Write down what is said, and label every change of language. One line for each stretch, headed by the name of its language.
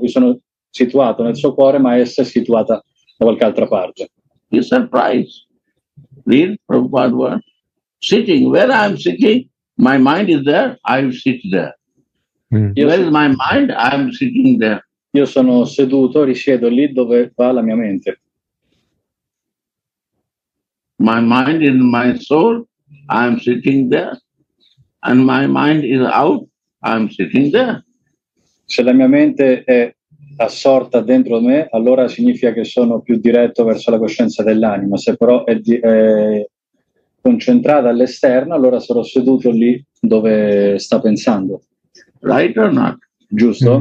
Italian: Io sono situato nel suo cuore, ma essa è situata da qualche altra parte.
English: You surprise. Read from what word? Sitting. Where I'm sitting, my mind is there, I sit there. Mm. Where is my mind? I'm sitting there.
Italian: Io sono seduto, risiedo lì dove va la mia mente.
English: My mind is my soul, I'm sitting there. And my mind is out, I'm sitting there.
Italian: Se la mia mente è assorta dentro me, allora significa che sono più diretto verso la coscienza dell'anima. Se però è concentrata all'esterno, allora sarò seduto lì dove sta pensando.
English: Right or not?
Italian: Giusto?